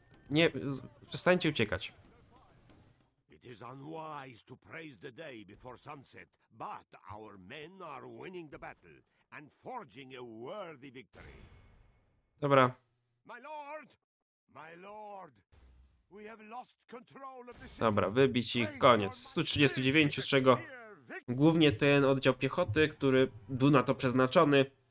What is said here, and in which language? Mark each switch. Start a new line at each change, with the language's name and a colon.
Polish: Nie, przestańcie uciekać.
English: It is unwise to praise the day before sunset, but our men are winning the battle and forging a worthy victory.
Polish: Dobra.
English: My lord, we have lost control of the
Polish: city. Dobra, wybić ich, koniec. 139, z czego głównie ten oddział piechoty, który był na to przeznaczony.